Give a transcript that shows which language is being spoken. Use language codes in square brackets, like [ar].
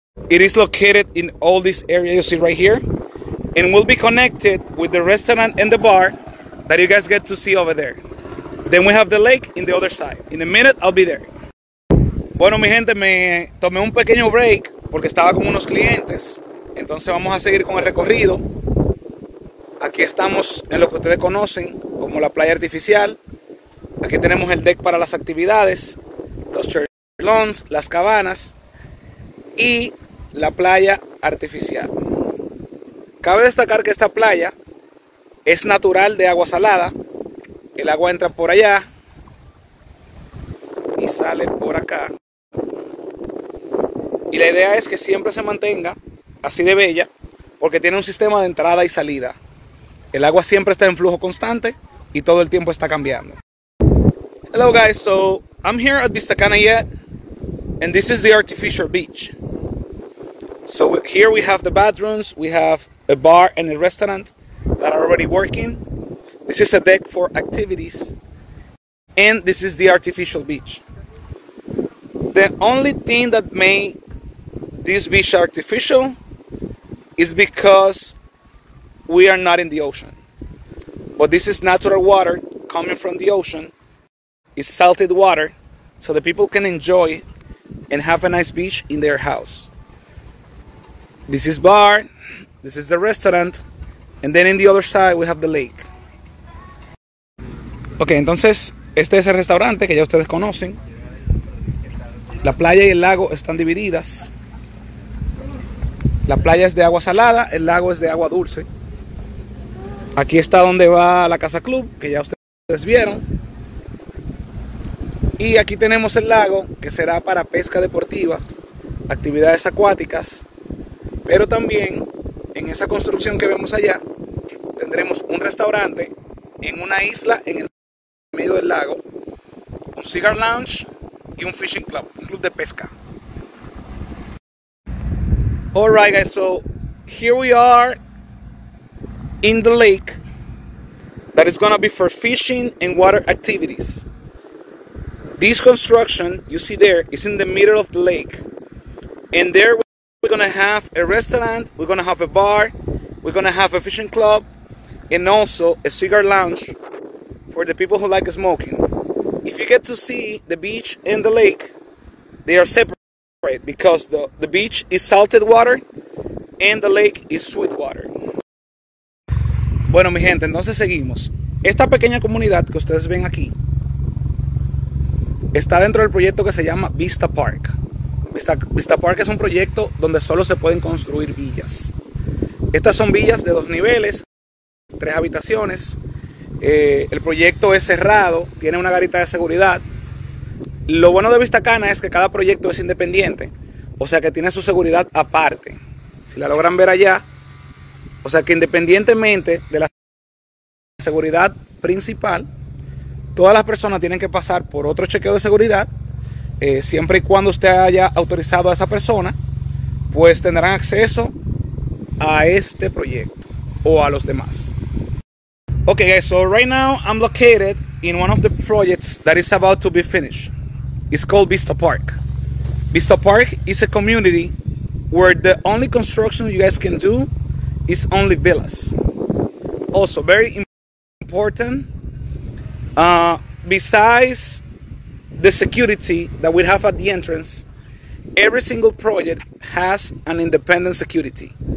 [en] It is located in all this area you see right here, and will be connected with the restaurant and the bar that you guys get to see over there. Then we have the lake in the other side. In a minute, I'll be there. [es] Bueno, mi gente, me tomé un pequeño break porque estaba con unos clientes. Entonces vamos a seguir con el recorrido. Aquí estamos en lo que ustedes conocen como la playa artificial. Aquí tenemos el deck para las actividades, los church lawns, las cabanas y la playa artificial. Cabe destacar que esta playa es natural de agua salada. El agua entra por allá y sale por acá. Y la idea es que siempre se mantenga así de bella porque tiene un sistema de entrada y salida. El agua siempre está en flujo constante y todo el tiempo está cambiando. [en] Hello guys, so I'm here at Vista Cana yet, and this is the artificial beach. So here we have the bathrooms, we have a bar and a restaurant that are already working. This is a deck for activities, and this is the artificial beach. The only thing that made this beach artificial is because we are not in the ocean. But this is natural water coming from the ocean. It's salted water, so the people can enjoy and have a nice beach in their house. This is bar, this is the restaurant, and then in the other side we have the lake. [es] Ok, entonces, este es el restaurante que ya ustedes conocen. La playa y el lago están divididas. La playa es de agua salada, el lago es de agua dulce. Aquí está donde va la Casa Club, que ya ustedes vieron. Y aquí tenemos el lago, que será para pesca deportiva, actividades acuáticas. Pero también, en esa construcción que vemos allá, tendremos un restaurante en una isla en el medio del lago, un cigar lounge y un fishing club, un club de pesca. [en] All right, guys, so here we are in the lake that is going to be for fishing and water activities. This construction you see there is in the middle of the lake, and there we're going to have a restaurant, we're going to have a bar, we're going to have a fishing club, and also a cigar lounge for the people who like smoking. If you get to see the beach and the lake, they are separate because the beach is salted water and the lake is sweet water. [es] Bueno, mi gente, entonces seguimos. Esta pequeña comunidad que ustedes ven aquí está dentro del proyecto que se llama Vista Park. Vista Park es un proyecto donde solo se pueden construir villas. Estas son villas de dos niveles, tres habitaciones. El proyecto es cerrado, tiene una garita de seguridad. Lo bueno de Vista Cana es que cada proyecto es independiente, o sea que tiene su seguridad aparte. Si la logran ver allá, o sea que independientemente de la seguridad principal, todas las personas tienen que pasar por otro chequeo de seguridad. Siempre y cuando usted haya autorizado a esa persona, pues tendrán acceso a este proyecto o a los demás. [en] Okay, guys, so right now I'm located in one of the projects that is about to be finished. It's called Vista Park. Vista Park is a community where the only construction you guys can do is only villas. Also, very important, besides the security that we have at the entrance, every single project has an independent security.